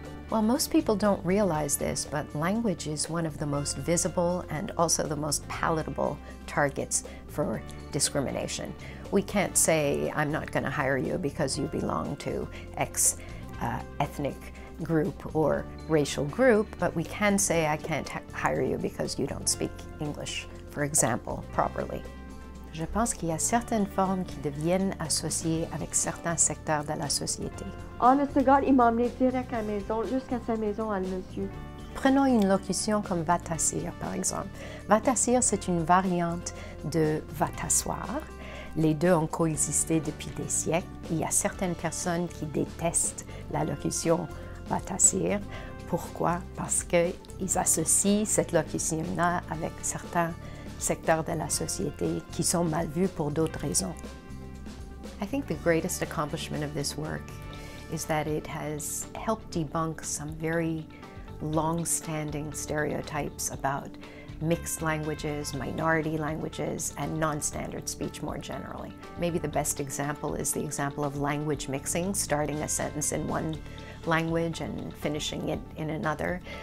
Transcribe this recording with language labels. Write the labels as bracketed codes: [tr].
[en] Well, most people don't realize this, but language is one of the most visible and also the most palatable targets for discrimination. We can't say, I'm not going to hire you because you belong to X ethnic group or racial group, but we can say, I can't hire you because you don't speak English, for example, properly. [fr] Je pense qu'il y a certaines formes qui deviennent associées avec certains secteurs de la société. [en] Oh, Mr. [fr] God, il m'a emmené direct à la maison, jusqu'à sa maison à le monsieur. Prenons une locution comme « va t'asseoir », par exemple. « Va t'asseoir », c'est une variante de « va t'asseoir ». Les deux ont coexisté depuis des siècles. Il y a certaines personnes qui détestent la locution « va t'asseoir ». Pourquoi? Parce qu'ils associent cette locution-là avec certains secteurs de la société qui sont mal vus pour d'autres raisons. [en] I think the greatest accomplishment of this work is that it has helped debunk some very long-standing stereotypes about mixed languages, minority languages, and non-standard speech more generally. Maybe the best example is the example of language mixing, starting a sentence in one language and finishing it in another.